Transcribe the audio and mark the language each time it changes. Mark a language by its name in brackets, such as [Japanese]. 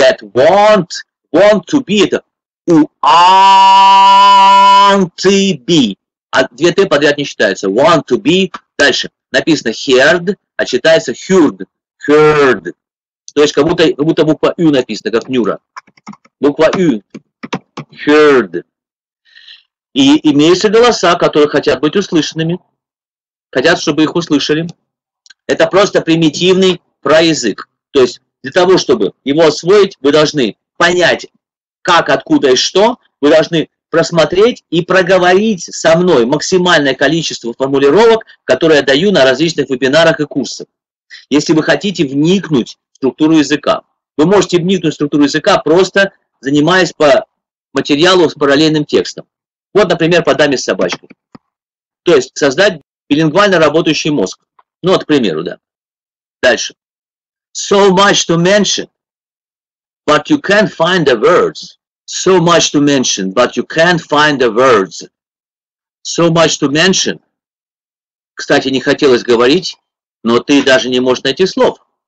[English] that want to be, это want to be. [Russian] А две ты подряд не читаются. [English] Want to be. Дальше. [Russian] Написано heard, а читается heard. [English] Heard. [Russian] То есть как будто буква U написана, как Нюра. Буква U. Heard. И имеются голоса, которые хотят быть услышанными. Хотят, чтобы их услышали. Это просто примитивный проязык. То есть для того, чтобы его освоить, вы должны понять, как, откуда и что. Вы должны просмотреть и проговорить со мной максимальное количество формулировок, которые я даю на различных вебинарах и курсах. Если вы хотите вникнуть в структуру языка, вы можете вникнуть в структуру языка, просто занимаясь по материалу с параллельным текстом. Вот, например, по даме с собачкой. То есть создать билингвально работающий мозг. Ну вот, к примеру, да. Дальше. [English] So much to mention, but you can't find the words. So much to mention, but you can't find the words. So much to mention. [Russian] Кстати, не хотелось говорить, но ты даже не можешь найти слов.